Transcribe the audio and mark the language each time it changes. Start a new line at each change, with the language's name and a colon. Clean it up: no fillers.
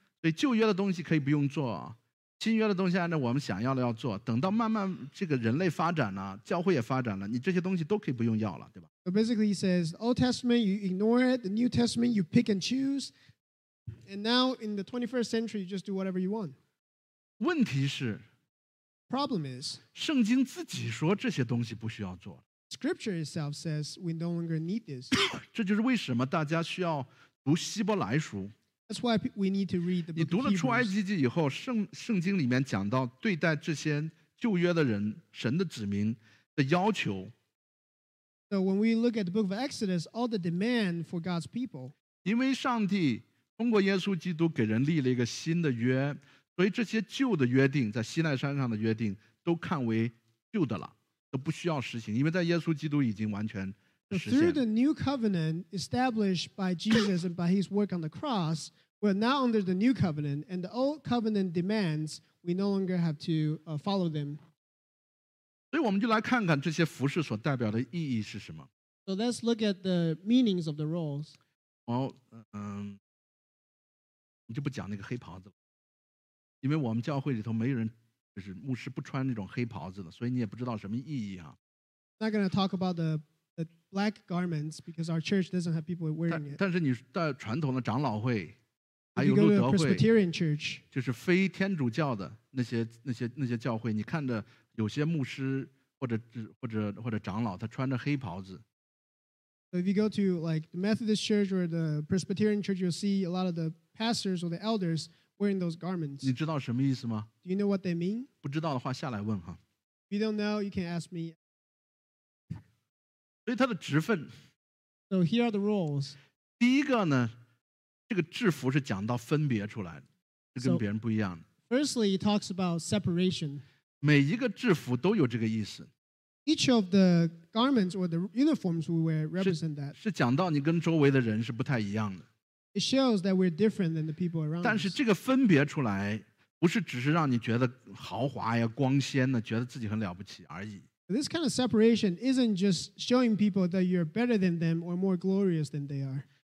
Chinese: 所以旧约的东西可以不用做，新约的东西按照我们想要的要做，等到慢慢这个人类发展了，教会也发展了，你这些东西都可以不用要了，对吧？
English: So basically he says, Old Testament you ignore it, the New Testament you pick and choose, and now in the 21st century you just do whatever you want.
Chinese: 问题是
English: Problem is,
Chinese: 圣经自己说这些东西不需要做。
English: Scripture itself says we no longer need this.
Chinese: 这就是为什么大家需要读希伯来书。
English: That's why we need to read the book.
Chinese: 你读了出埃及记以后，圣经里面讲到对待这些旧约的人，神的子民的要求。
English: So when we look at the book of Exodus, all the demand for God's people.
Chinese: 因为上帝通过耶稣基督给人立了一个新的约，所以这些旧的约定，在西奈山上的约定都看为旧的了，都不需要实行，因为在耶稣基督已经完全。
English: So through the new covenant established by Jesus and by his work on the cross, We're now under the new covenant, and the old covenant demands we no longer have to follow them.
Chinese: 所以我们就来看看这些服饰所代表的意义是什么。
English: So let's look at the meanings of the roles.
Chinese: 哦，你就不讲那个黑袍子了，因为我们教会里头没人，就是牧师不穿那种黑袍子的，所以你也不知道什么意义啊。
English: Not going to talk about the black garments because our church doesn't have people wearing it.
Chinese: 但是你在传统的长老会。
English: If you go to a Presbyterian church,
Chinese: 就是非天主教的那些教会，你看着有些牧师或者长老，他穿着黑袍子。
English: If you go to like the Methodist church or the Presbyterian church, you'll see a lot of the pastors or the elders wearing those garments.
Chinese: 你知道什么意思吗
English: ？Do you know what they mean?
Chinese: 不知道的话下来问哈。
English: If you don't know, you can ask me.
Chinese: 所以他的职分。
English: So here are the roles.
Chinese: 第一个呢？这个制服是讲到分别出来的，是跟别人不一样的。
English: So, firstly, it talks about separation.
Chinese: 每一个制服都有这个意思。
English: Each of the garments or the uniforms we wear represent that.
Chinese: 是讲到你跟周围的人是不太一样的。
English: It shows that we're different than the people around us.
Chinese: 但是这个分别出来，不是只是让你觉得豪华呀、光鲜的，觉得自己很了不起而已。
English: This kind of separation isn't just showing people that you're better than them or more glorious than they are.